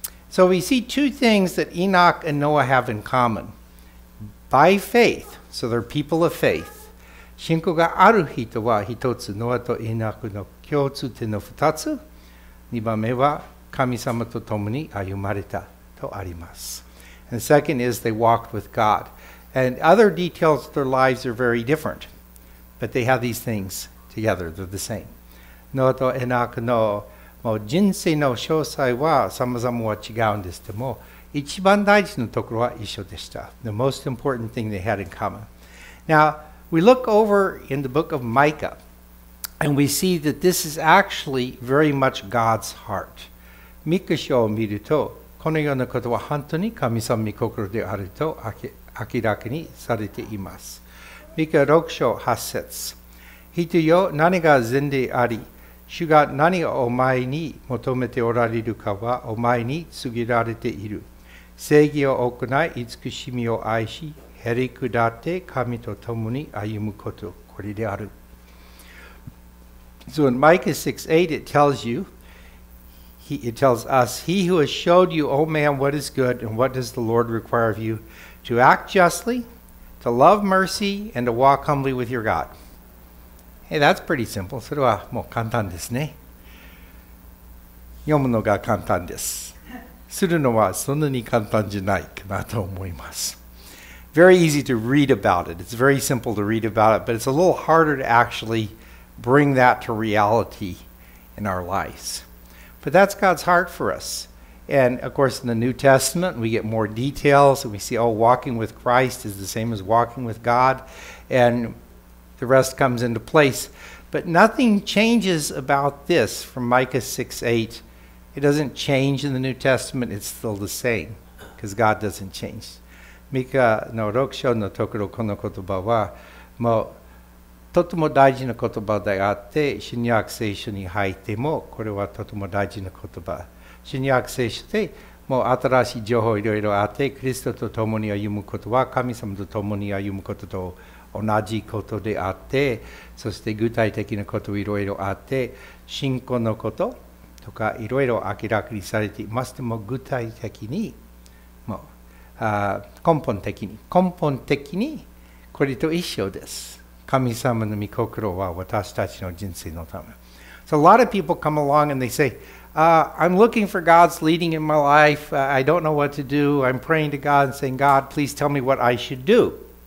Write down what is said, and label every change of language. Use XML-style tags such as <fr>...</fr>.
<en>So we see two things that Enoch and Noah have in common. By faith, so they're people of faith.</en> <ja>信仰がある人は一つ、ノアとイナクの共通点の二つ、二番目は神様と共に歩まれたとあります。</ja> <en>And the second is they walked with God. And other details of their lives are very different. But they have these things together, they're the same.</en> <ja>ノアとイナクのもう人生の詳細は様々は違うんですけども、一番大事なところは一緒でした。</ja> <en>The most important thing they had in common. Now, we look over in the book of Micah, and we see that this is actually very much God's heart.</en> <ja>ミカ書を見ると、このようなことは本当に神様の心であると明らかにされています。ミカ6章8節。人よ、何が善であり、主が何をお前に求めておられるかはお前に告げられている。正義を行い、慈しみを愛し、へりくだって神と共に歩むこと、これである。</ja> <en>So in Micah 6:8, it tells you, it tells us, He who has showed you, O man, what is good, and what does the Lord require of you, to act justly, to love mercy, and to walk humbly with your God. Hey, that's pretty simple.</en> <ja>それはもう簡単ですね。読むのが簡単です。するのはそんなに簡単じゃないかなと思います。</ja> <en>Very easy to read about it. It's very simple to read about it, but it's a little harder to actually bring that to reality in our lives. But that's God's heart for us. And of course, in the New Testament, we get more details, and we see, oh, walking with Christ is the same as walking with God, and the rest comes into place. But nothing changes about this from Micah 6:8. It doesn't change in the New Testament. It's still the same, because God doesn't change.</en> <ja>ミカの6章のところ、この言葉は、もう、とても大事な言葉であって、新約聖書に入っても、これはとても大事な言葉。新約聖書で、もう新しい情報いろいろあって、キリストと共に歩むことは、神様と共に歩むことと同じことであって、そして具体的なこといろいろあって、信仰のこととかいろいろ明らかにされています。でも具体的に、もう、根本的にこれと一緒です。神様の御心は私たちの人生のため。</ja> <en>So a lot of people come along and they say, I'm looking for God's leading in my life. I don't know what to do. I'm praying to God and saying, God, please tell me what I should do.</en>